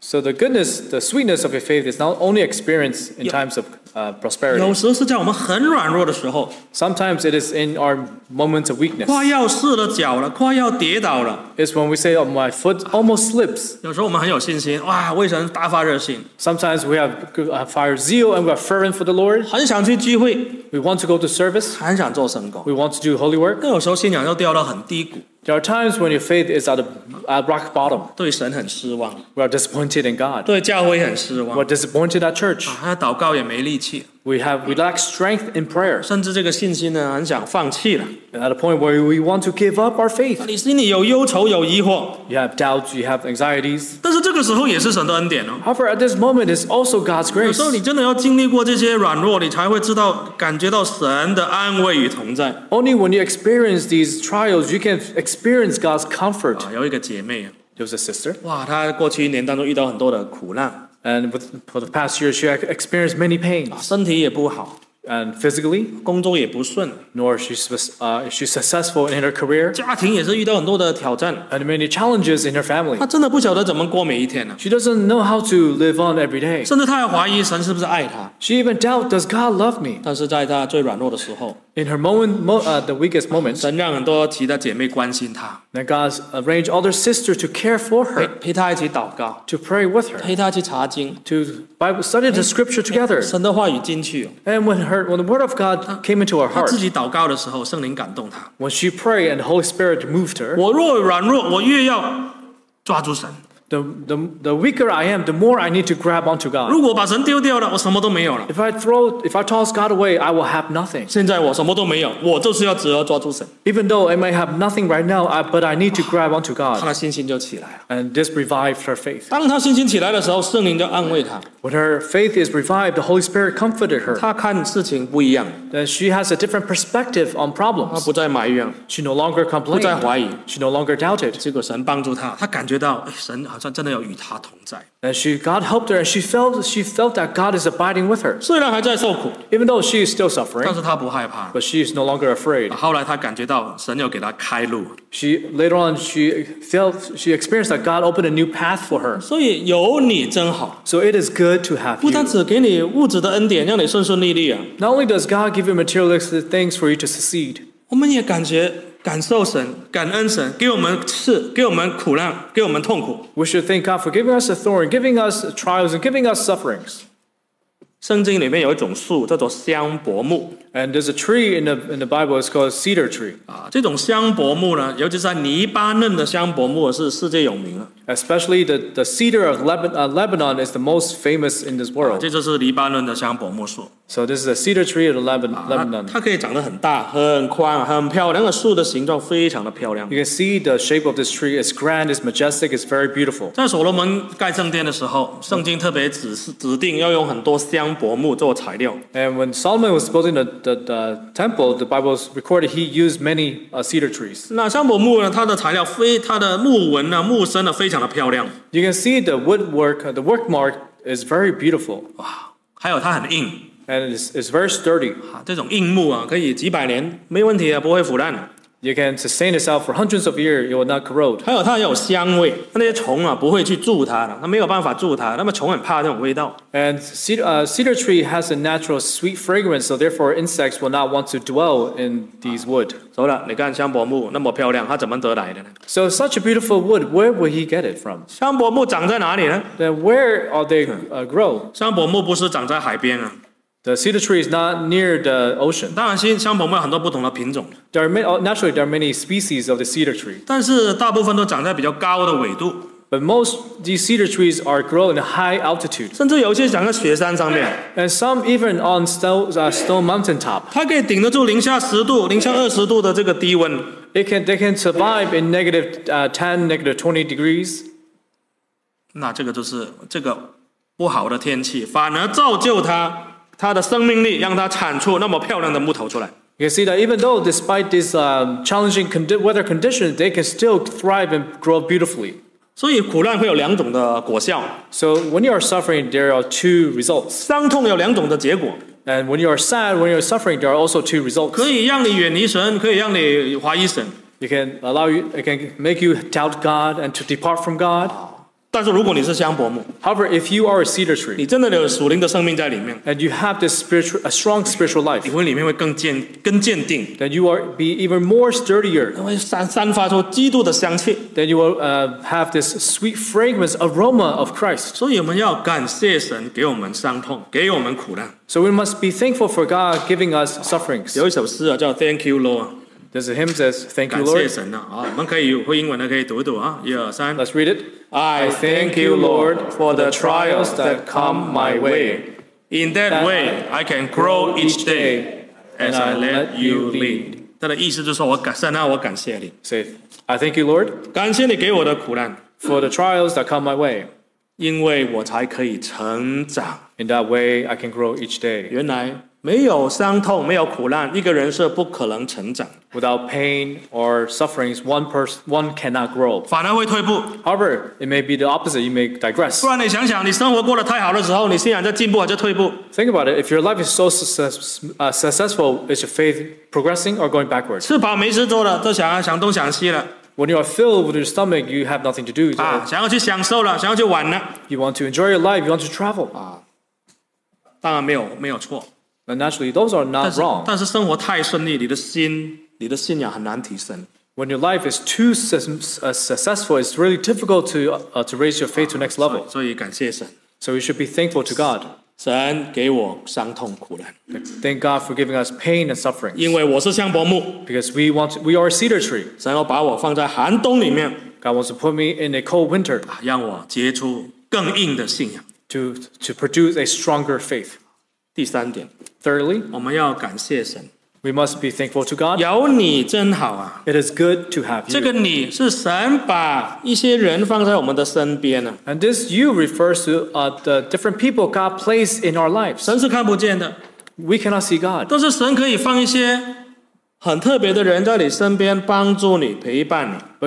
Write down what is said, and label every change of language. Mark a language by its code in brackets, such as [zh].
[en] So the goodness, the sweetness of your faith is not only experienced in times of prosperity. [zh] 有时是在我们很软弱的时候。 [en] Sometimes it is in our moments of weakness. [zh] 快要试了脚了，快要跌倒了。 [en] It's when we say, oh, my foot almost slips. [zh] 有时候我们很有信心，哇，为神大发热心。 [en] Sometimes we have fire zeal and we are fervent for the Lord. [zh] 很想去聚会。 [en] We want to go to service. [zh] 很想做圣工。 [en] We want to do holy work. [zh] 更有时候信仰又掉到很低谷。 [en] There are times when your faith is at a rock bottom. [zh] 对神很失望。 [en] We are disappointed in God. [zh] 对教会很失望。 [en] We are disappointed at church. [zh] 还祷告也没力气。 [en] We lack strength in prayer. [zh] 甚至这个信心呢，很想放弃了。 [en] At a point where we want to give up our faith. [zh] 你心里有忧愁，有疑惑。 [en] You have doubts, you have anxieties. [zh] 但是这个时候也是神的恩典哦。 [en] However, at this moment, it's also God's grace. [zh] 有时候你真的要经历过这些软弱，你才会知道感觉到神的安慰与同在。 [en] Only when you experience these trials, you can experience God's comfort. [zh] 有一个姐妹，就是 sister. 哇，她过去一年当中遇到很多的苦难。 [en] And for the past year, she experienced many pains. [zh] 身体也不好。 [en] And physically. [zh] 工作也不顺。 [en] Nor she's successful in her career. [zh] 家庭也是遇到很多的挑战。 [en] And many challenges in her family. [zh] 她真的不晓得怎么过每一天啊。 [en] She doesn't know how to live on every day. [zh] 甚至她还怀疑神是不是爱她。 [en] She even doubts, does God love me? [zh] 但是在她最软弱的时候。 [en] In her moment, the weakest moment, [zh] 神让很多其他姐妹关心她。 [en] Then God arranged other sisters to care for her, [zh] 陪她一起祷告。 [en] To pray with her, [zh] 陪她去查经。 [en] To study the scripture together, [zh] 神的话语进去。 [en] And when the word of God came into her heart, [zh] 她自己祷告的时候，圣灵感动她。 [en] When she prayed and the Holy Spirit moved her, [zh] 我若软弱，我越要抓住神。 [en] The weaker I am, the more I need to grab onto God. [zh] 如果把神丢掉了，我什么都没有了。 [en] If I toss God away, I will have nothing. [zh] 现在我什么都没有，我就是要只要抓住神。 [en] Even though I may have nothing right now, but I need to grab onto God. [zh] 她的信心就起来了。 [en] And this revived her faith. [zh] 当她信心起来的时候，圣灵就安慰她。 [en] When her faith is revived, the Holy Spirit comforted her. [zh] 她看事情不一样。 [en] Then she has a different perspective on problems. [zh] 她不再埋怨。 [en] She no longer complained. [zh] 不再怀疑。 [en] She no longer doubted. [zh] 结果神帮助她，她感觉到神好像真的要与她同在。 [en] And God helped her, and she felt that God is abiding with her. [zh] 虽然还在受苦。 [en] Even though she is still suffering. [zh] 但是她不害怕。 [en] But she is no longer afraid. [zh] 后来她感觉到神要给她开路。 [en] She experienced that God opened a new path for her. [zh] 所以有你真好。 [en] So it is good to have you. [zh] 不单只给你物质的恩典，让你顺顺利利啊。 [en] Not only does God give you materialistic things for you to succeed. [zh] 我们也感觉感受神，感恩神，给我们刺，给我们苦难，给我们痛苦。 [en] We should thank God for giving us a thorn, giving us trials, and giving us sufferings. [zh] 圣经里面有一种树叫做香柏木。 [en] And there's a tree in the Bible, it's called cedar tree. [zh] 这种香柏木呢，尤其是在黎巴嫩的香柏木是世界有名的。 [en] Especially the cedar of Lebanon is the most famous in this world. [zh] 这就是黎巴嫩的香柏木树。 [en] So this is a cedar tree of Lebanon. [zh] 它可以长得很大，很宽，很漂亮，树的形状非常的漂亮。 [en] You can see the shape of this tree, it's grand, it's majestic, it's very beautiful. [zh] 在所罗门盖圣殿的时候，圣经特别指定要用很多香柏木做材料。 [en] And when Solomon was building the temple, the Bible recorded he used many cedar trees. [zh] 那香柏木呢，它的材料它的木纹呢，木身呢，非常的漂亮。 [en] You can see the woodwork, the work mark is very beautiful. [zh] 哇，还有它很硬。 [en] And it's very sturdy. [zh] 这种硬木啊，可以几百年没问题啊，不会腐烂。 [en] You can sustain itself for hundreds of years, it will not corrode. [zh] 还有它有香味，那些虫啊不会去蛀它的，它没有办法蛀它，那么虫很怕这种味道。 [en] And cedar tree has a natural sweet fragrance, so therefore insects will not want to dwell in these wood. [zh] 走了，你看香柏木那么漂亮，它怎么得来的呢？ [en] So such a beautiful wood, where would he get it from? [zh] 香柏木长在哪里呢？ [en] Then where are they grow? [zh] 香柏木不是长在海边啊。 [en] The cedar tree is not near the ocean. [zh] 当然，香柏木有很多不同的品种。 [en] Naturally, there are many species of the cedar tree. [zh] 但是大部分都长在比较高的纬度。 [en] But most these cedar trees are grown in high altitude. [zh] 甚至有些长在雪山上面。 [en] And some even on stone mountain top. [zh] 它可以顶得住零下十度、零下二十度的这个低温。 [en] They can survive in -10, -20 degrees. [zh] 那这个就是这个不好的天气，反而造就它。它的生命力让它产出那么漂亮的木头出来。 [en] You can see that even though despite this challenging weather conditions, they can still thrive and grow beautifully. [zh] 所以苦难会有两种的果效。 [en] So when you are suffering, there are two results. [zh] 伤痛有两种的结果。 [en] And when you are sad, when you are suffering, there are also two results. [zh] 可以让你远离神，可以让你怀疑神。 [en] It can make you doubt God and to depart from God. [zh] 但是如果你是香柏木 [en] ，However, if you are a cedar tree, [zh] 你真的有属灵的生命在里面 [en] ，and you have this spiritual, a strong spiritual life, [zh] 你会里面会更坚定 [en] ，then you are be even more sturdier, [zh] 会散发出基督的香气 [en] ，then you will have this sweet fragrance aroma of Christ. [zh] 所以我们要感谢神给我们伤痛，给我们苦难。 [en] So we must be thankful for God giving us sufferings. [zh] 有一首诗啊，叫 Thank You, Lord. [en] There's a hymn says, Thank you, Lord. [zh] 感谢神啊，我们可以会英文的可以读一读啊，一二三。 [en] Let's read it. I thank you, Lord, for the trials that come my way. In that way, I can grow each day as I let you lead. [zh] 他的意思就是我感神啊，我感谢你。 [en] Say, I thank you, Lord. [zh] 感谢你给我的苦难。 [en] For the trials that come my way. [zh] 因为我才可以成长。 [en] In that way, I can grow each day. [zh] 原来没有伤痛，没有苦难，一个人是不可能成长。 [en] Without pain or sufferings, one cannot grow. [zh] 反而会退步。 [en] However, it may be the opposite. You may digress. [zh] 不然你想想，你生活过得太好的时候，你信仰在进步还是退步 [en] ？Think about it. If your life is so successful, is your faith progressing or going backwards? [zh] 吃饱没事做了，都想想东想西了。 [en] When you are filled with your stomach, you have nothing to do. [zh] 啊，想要去享受了，想要去玩了。 [en] You want to enjoy your life. You want to travel. [zh] 啊，当然没有错。 [en] But naturally, those are not wrong. [zh] 但是生活太顺利，你的信仰很难提升。 [en] When your life is too successful, it's really difficult to raise your faith to next level. [zh] 所以感谢神。 [en] So you should be thankful to God. [zh] 神给我伤痛苦难。 [en] Thank God for giving us pain and suffering. [zh] 因为我是香柏木。 [en] Because we are a cedar tree. [zh] 神要把我放在寒冬里面。 [en] God wants to put me in a cold winter. [zh] 让我结出更硬的信仰。 [en] To produce a stronger faith. [zh] 第三点 [en] ，Thirdly， [zh] 我们要感谢神。 [en] We must be thankful to God. [zh] 有你真好啊 [en] ！It is good to have you. [zh] 这个你是神把一些人放在我们的身边啊。 [en] And this you refers to the different people God placed in our lives. [zh] 神是看不见的 [en] ，We cannot see God. [zh] 都是神可以放一些很特别的人在你身边帮助你陪伴你。